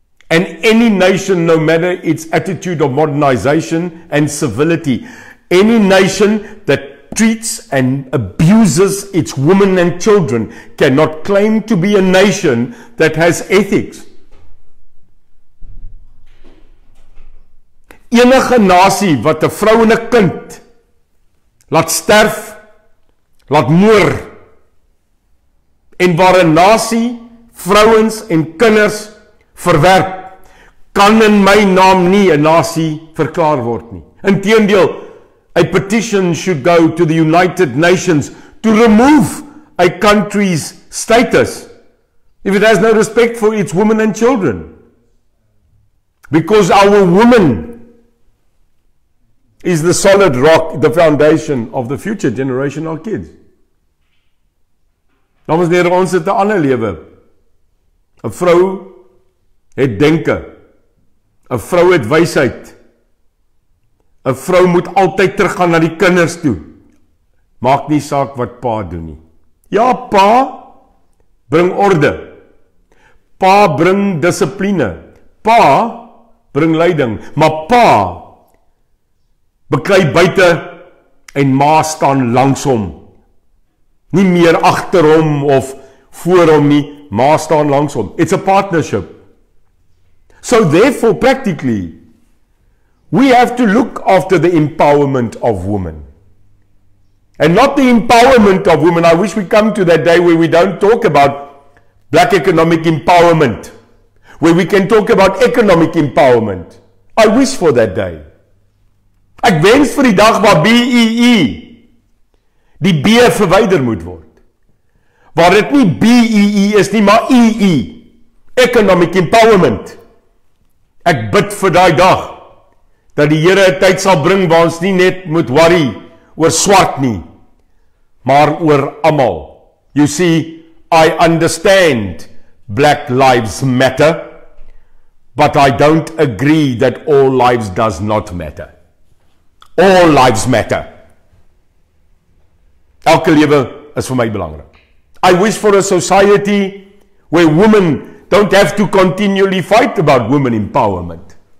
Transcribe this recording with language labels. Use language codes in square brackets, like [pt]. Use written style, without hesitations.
[en] And any nation, no matter its attitude of modernization and civility, any nation that treats and abuses its women and children cannot claim to be a nation that has ethics. [af] Enige nasie wat 'n vrou en 'n kind laat sterf, laat moor, en waar 'n nasie vrouens en kinders verwerp, kan in my naam nie 'n nasie verklaar word nie. [en] Inteendeel, a petition should go to the United Nations to remove a country's status if it has no respect for its women and children. Because our women is the solid rock, the foundation of the future generation of kids. [af] Dames en here, ons het 'n ander lewe. 'N vrou het denke. 'N vrou het wysheid. 'N vrou moet altyd teruggaan na die kinders toe. Maak nie saak wat pa doen nie. Ja, pa bring orde. Pa bring dissipline. Pa bring leiding, maar pa beklei buite en ma staan langs hom. Nie meer agter hom of voor hom nie, ma staan langs hom. [en] It's a partnership. So therefore, practically, we have to look after the empowerment of women. And not the empowerment of women. I wish we come to that day where we don't talk about black economic empowerment, where we can talk about economic empowerment. I wish for that day. [af] Ek wens vir die dag waar BEE die B verwyder moet word. Waar dit nie BEE is nie, maar EE. [en] Economic empowerment. [af] Ek bid vir daai dag dat die Here 'n tyd sal bring waar ons nie net moet worry oor swart nie, maar oor almal. [en] You see, I understand black lives matter, but I don't agree that all lives does not matter. All lives matter. [af] Elke lewe is vir my belangrik. [en] I wish for a society where women don't have to continually fight about women empowerment.